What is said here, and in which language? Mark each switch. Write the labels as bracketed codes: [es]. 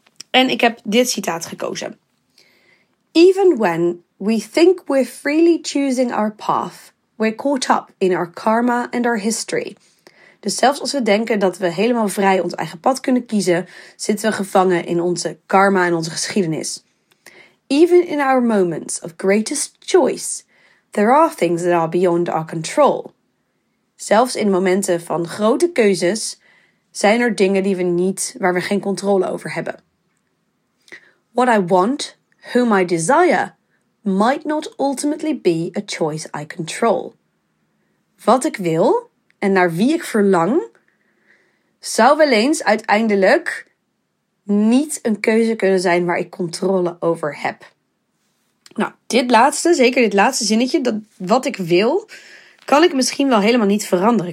[nl] En ik heb dit citaat gekozen. [en] Even when we think we're freely choosing our path, we're caught up in our karma and our history. [nl] Dus zelfs als we denken dat we helemaal vrij ons eigen pad kunnen kiezen, zitten we gevangen in onze karma en onze geschiedenis. [en] Even in our moments of greatest choice, there are things that are beyond our control. [nl] Zelfs in momenten van grote keuzes zijn er dingen die we niet, waar we geen controle over hebben. [en] What I want, whom I desire, might not ultimately be a choice I control. [nl] Wat ik wil en naar wie ik verlang, zou wel eens uiteindelijk niet een keuze kunnen zijn waar ik controle over heb. Nou, dit laatste, zeker dit laatste zinnetje, dat wat ik wil, kan ik misschien wel helemaal niet veranderen.